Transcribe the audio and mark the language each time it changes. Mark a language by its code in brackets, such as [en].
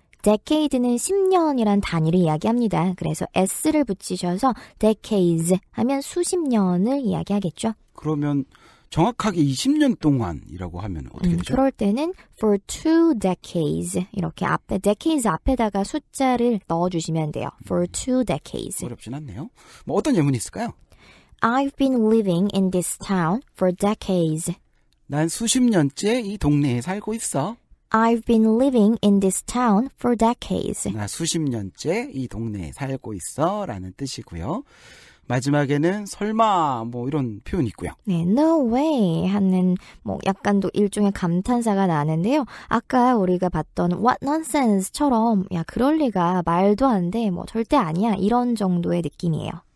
[ko] Decade는 10년이란 단위를 이야기합니다. 그래서 S를 붙이셔서 decades 하면 수십 년을 이야기하겠죠. 그러면 정확하게 20년 동안이라고 하면 어떻게 되죠? 그럴 때는 [en] for two decades [ko] 이렇게 앞에 decades 앞에다가 숫자를 넣어주시면 돼요. [en] For two decades. [ko] 어렵진 않네요. 뭐 어떤 예문이 있을까요? [en] I've been living in this town for decades. [ko] 난 수십 년째 이 동네에 살고 있어. [en] I've been living in this town for decades. [ko] 나 수십 년째 이 동네에 살고 있어 라는 뜻이고요. 마지막에는 설마 뭐 이런 표현이 있고요. 네, no way 하는 뭐 약간도 일종의 감탄사가 나는데요. 아까 우리가 봤던 what nonsense처럼 야 그럴 리가 말도 안 돼 뭐 절대 아니야 이런 정도의 느낌이에요.